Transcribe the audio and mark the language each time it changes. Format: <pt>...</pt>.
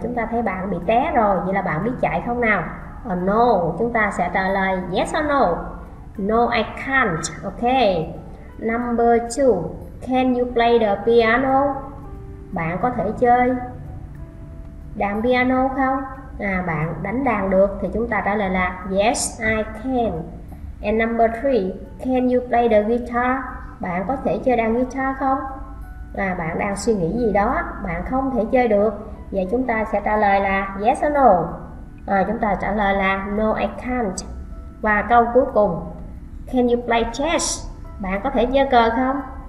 <vi>Chúng ta thấy bạn bị té rồi, vậy là bạn biết chạy không nào? No, chúng ta sẽ trả lời</vi> <en>yes or no. No, I can't. Ok. Number 2, can you play the piano?</en> <vi>Bạn có thể chơi đàn piano không? Bạn đánh đàn được thì chúng ta trả lời là</vi> <en>yes, I can. And number 3, can you play the guitar?</en> <vi>Bạn có thể chơi đàn guitar không? Bạn đang suy nghĩ gì đó, bạn không thể chơi được. Vậy chúng ta sẽ trả lời là yes or no. Chúng ta trả lời là</vi> <en>no, I can't.</en> <vi>Và câu cuối cùng,</vi> <en>can you play chess?</en> <vi>Bạn có thể chơi cờ không?</vi>